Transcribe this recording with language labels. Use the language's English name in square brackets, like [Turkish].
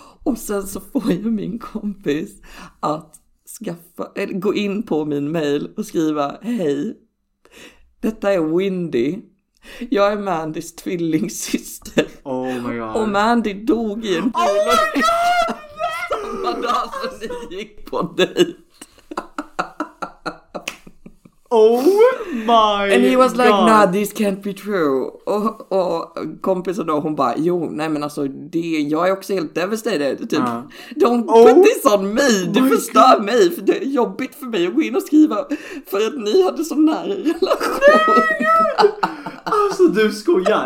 [Swedish] Och sen så får jag min kompis att gå in på min mail och skriva, hej, detta är Windy. Jag är Mandys tvillingssyster. [English] Oh my god. [Swedish] Och Mandy dog i en [English] bil. Oh my god! [Swedish] Samma dag som ni gick på dejt. [English] Oh my god. And he was like, nah, this can't be true. [Swedish] Och kompisen då, hon bara, jo, nej men alltså, jag är också helt devastated. Typ, [English] put this on me. [Swedish] Du förstör mig, för det är jobbigt för mig att gå in och skriva. För att ni hade så nära relation. Nej, alltså du skojar.